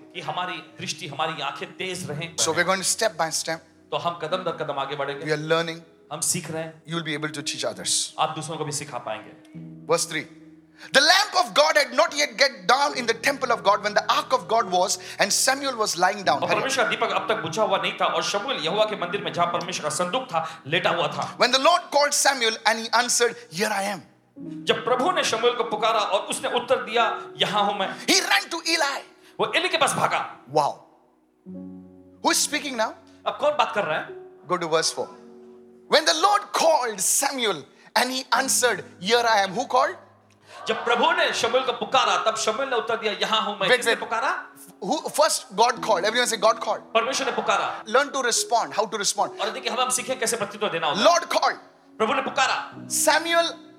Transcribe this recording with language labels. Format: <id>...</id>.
<hi>कि हमारी दृष्टि हमारी आंखें तेज रहें.</hi> <en>So we're going step by step.</en> <hi>तो हम कदम दर कदम आगे बढ़ेंगे.</hi> <en>We are learning.</en> <hi>हम सीख रहे हैं.</hi> <en>You will be able to teach others.</en> <hi>आप दूसरों को भी सिखा पाएंगे.</hi> <en>Verse 3. The lamp of God had not yet get down in the temple of God when the ark of God was and Samuel was lying down.</en> <hi>परमेश्वर का दीपक अब तक बुझा हुआ नहीं था और शमूएल यहोवा के मंदिर में जहां परमेश्वर का संदूक था लेटा हुआ था.</hi> <en>When the Lord called Samuel and he answered, here I am.</en> <hi>जब प्रभु ने शमूएल को पुकारा और उसने उत्तर दिया, यहां हूं मैं.</hi> <en>He ran to Eli.</en> <hi>वो एली के पास भागा.</hi> <en>Wow. Who is speaking now?</en> <hi>अब कौन बात कर रहा है?</hi> <en>Go to verse 4. When the Lord called Samuel and he answered, here I am. Who called?</en> <hi>जब प्रभु ने शमूएल को पुकारा तब शमूएल ने उत्तर दिया, यहां हूं मैं. किसने पुकारा?</hi> <en>Who first God called? Everyone say God called.</en> <hi>परमेश्वर ने पुकारा.</hi> <en>Learn to respond. How to respond?</en> <hi>और देखिए हम सीखें कैसे प्रतिक्रिया देना होता है.</hi> <en>Lord called.</en> <hi>प्रभु ने पुकारा.</hi> <en>Samuel.</en>